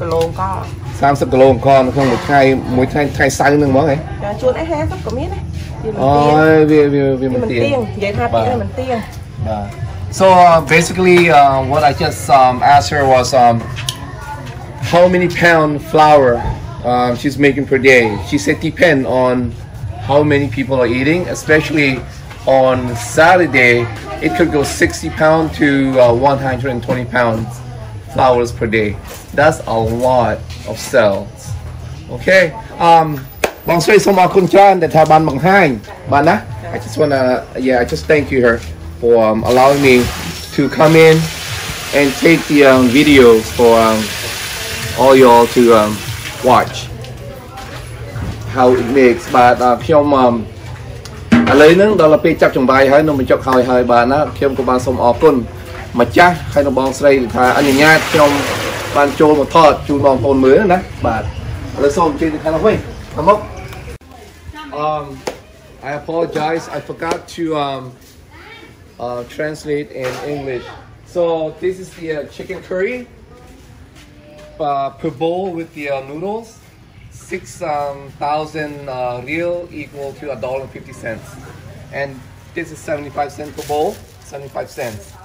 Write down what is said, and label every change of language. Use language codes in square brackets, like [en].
[km] គីឡូអង្ករក្នុងមួយថ្ងៃមួយថ្ងៃខៃសៅនឹងហ្មងហ៎ចា ជួនឯ50ក៏មាន ហ៎អូយវាមិនទៀងនិ យាយថាវាមិនទៀង [en] បាទ So basically what I just asked her was how many pound flour she's making per day. She said depend on how many people are eating, especially on Saturday, it could go 60 pounds to 120 pounds flowers per day. That's a lot of cells. Okay. [km] បងស្រីសូមអរគុណច្រើនដែលថាបានបង្ហាញបាទណា [en] I just want to yeah, I just thank you her for allowing me to come in and take the video for all y'all to watch how it makes. [km] But ខ្ញុំឥឡូវនឹងដល់ពេលចាប់ចង្វាយហើយនឹងបញ្ចុកហើយហើយបាទណាខ្ញុំក៏បានសូមអរគុណម្ចាស់ហើយនៅបងស្រីថាអនុញ្ញាតខ្ញុំបានចូលមកថតជូនបងប្អូនមើលណាបាទឥឡូវសូមអញ្ជើញទៅខាងនោះវិញតាមមក [en] I apologize I forgot to translate in English. So this is the chicken curry per bowl with the noodles. 6,000 riel equal to $1.50, and this is 75 cents per bowl. 75 cents.